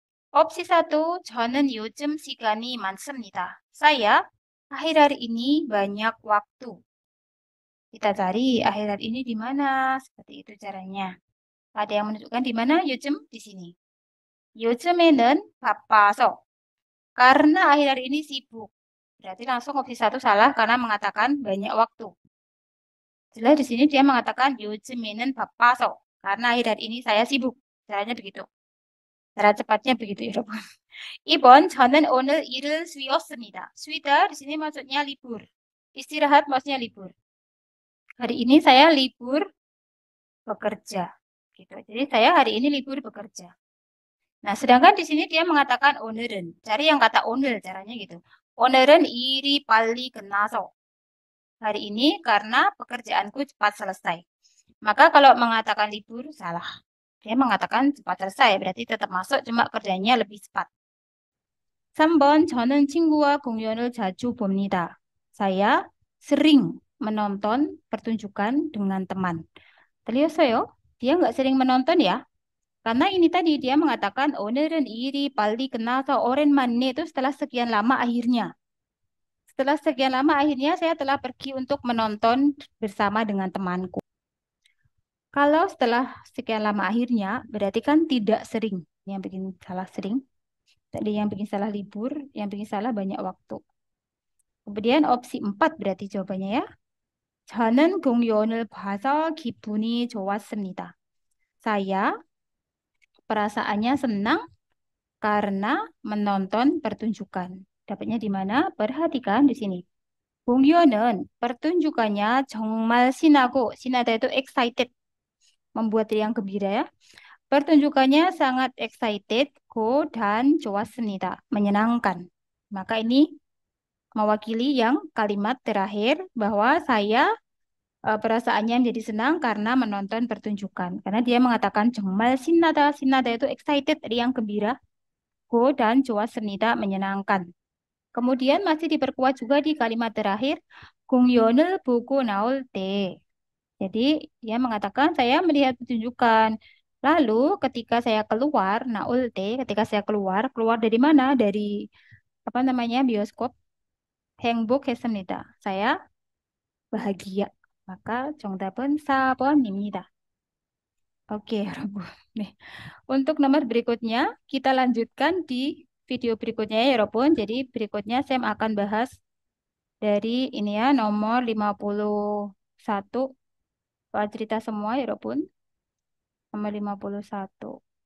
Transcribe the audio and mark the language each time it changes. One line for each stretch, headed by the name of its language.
Indonesian: Opsi 1,
Korean: 저는 요즘 시간이 많습니다.
Indonesian: Saya akhir-akhir ini banyak waktu. Kita cari akhir-akhir ini di mana, seperti itu caranya. Ada yang menunjukkan di mana 요즘? Di sini.
Korean: 요즘에는 바빠서.
Indonesian: Karena akhir-akhir ini sibuk. Berarti langsung opsi satu salah karena mengatakan banyak waktu. Jelas di sini dia mengatakan
Korean: 요즘에는 바빠서.
Indonesian: Karena akhir-akhir ini saya sibuk. Caranya begitu. Cara cepatnya begitu, Irobon.
Korean: Ibon, 저는 오늘 일을 쉬었습니다.
Indonesian: 쉬다 di sini maksudnya libur. Istirahat maksudnya libur. Hari ini saya libur bekerja. Gitu. Jadi saya hari ini libur bekerja. Nah, sedangkan di sini dia mengatakan 오늘은. Cari yang kata 오늘 caranya gitu.
Korean: 오늘은 일이 빨리 끝나서.
Indonesian: Hari ini karena pekerjaanku cepat selesai. Maka kalau mengatakan libur, salah. Dia mengatakan cepat selesai, berarti tetap masuk, cuma kerjanya lebih cepat.
Korean: 3번, 저는 친구와 공연을 자주 봅니다.
Indonesian: Saya sering menonton pertunjukan dengan teman. Terlihat dia nggak sering menonton ya. Karena ini tadi dia mengatakan
Korean: 오늘은 일이 빨리 끝나서 오랜만에
Indonesian: itu setelah sekian lama akhirnya. Setelah sekian lama akhirnya saya telah pergi untuk menonton bersama dengan temanku. Kalau setelah sekian lama akhirnya berarti kan tidak sering. Yang bikin salah sering. Tadi yang bikin salah libur, yang bikin salah banyak waktu. Kemudian opsi 4 berarti jawabannya ya.
Korean: 저는 공연을 봐서 기분이 좋았습니다.
Indonesian: Saya perasaannya senang karena menonton pertunjukan. Dapatnya di mana? Perhatikan di sini. 공연은 pertunjukannya
Korean: 정말 신나고,
Indonesian: 신나다 itu excited. Membuat riang gembira ya. Pertunjukannya sangat excited, go dan
Korean: 좋았습니다.
Indonesian: Menyenangkan. Maka ini mewakili yang kalimat terakhir bahwa saya perasaannya menjadi senang karena menonton pertunjukan. Karena dia mengatakan
Korean: 정말 신나다,
Indonesian: 신나다 itu excited, riang gembira. Go dan
Korean: 좋았습니다,
Indonesian: menyenangkan. Kemudian masih diperkuat juga di kalimat terakhir,
Korean: 공연을 보고 나올 때.
Indonesian: Jadi dia mengatakan saya melihat pertunjukan. Lalu ketika saya keluar,
Korean: 나올 때,
Indonesian: ketika saya keluar, keluar dari mana? Dari apa namanya bioskop?
Korean: 행복했습니다.
Indonesian: Saya bahagia.
Korean: Maka정답은 4번입니다.
Indonesian: Oke, Robun. Nih. Untuk nomor berikutnya, kita lanjutkan di video berikutnya ya, Robun. Jadi berikutnya saya akan bahas dari ini ya, nomor 51. Soal cerita semua ya, Robun. Nomor 51.